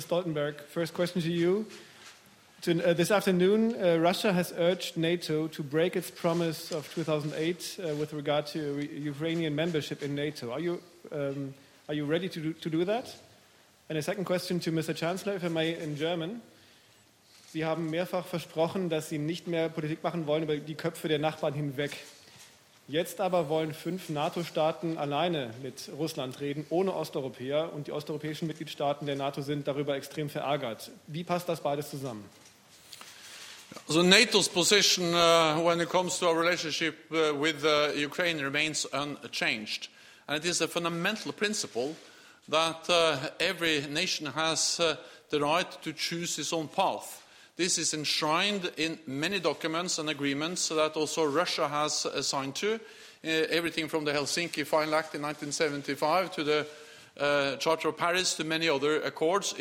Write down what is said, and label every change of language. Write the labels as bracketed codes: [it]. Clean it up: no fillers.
[en] Stoltenberg, first question to you. This afternoon, Russia has urged NATO to break its promise of 2008 with regard to Ukrainian membership in NATO. Are you ready to do that? And a second question to Mr. Chancellor, if I may, in German. [de] Sie haben mehrfach versprochen, dass Sie nicht mehr Politik machen wollen über die Köpfe der Nachbarn hinweg. Jetzt aber wollen 5 NATO-Staaten alleine mit Russland reden, ohne Osteuropäer. Und die osteuropäischen Mitgliedstaaten der NATO sind darüber extrem verärgert. Wie passt das beides zusammen? [en] So NATO's position when it comes to our relationship with Ukraine remains unchanged. And it is a fundamental principle that every nation has the right to choose its own path. This is enshrined in many documents and agreements that also Russia has signed to, everything from the Helsinki Final Act in 1975 to the Charter of Paris to many other accords.